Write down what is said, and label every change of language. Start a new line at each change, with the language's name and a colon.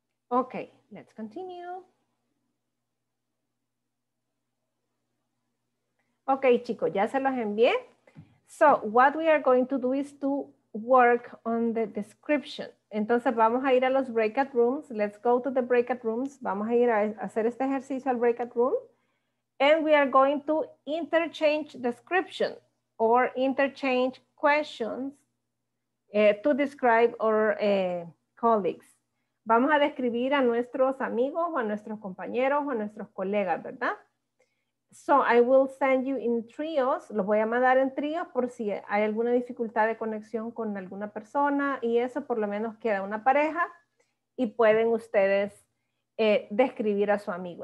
English: Okay, let's continue.
Spanish: Okay, chicos, ya se los envié.
English: So what we are going to do is to work on the description.
Spanish: Entonces vamos a ir a los breakout rooms.
English: Let's go to the breakout rooms.
Spanish: Vamos a ir a hacer este ejercicio al breakout room.
English: And we are going to interchange description or interchange questions to describe our colleagues.
Spanish: Vamos a describir a nuestros amigos, a nuestros compañeros, a nuestros colegas, ¿verdad?
English: So I will send you in trios,
Spanish: los voy a mandar en trios por si hay alguna dificultad de conexión con alguna persona y eso por lo menos queda una pareja y pueden ustedes describir a su amigo.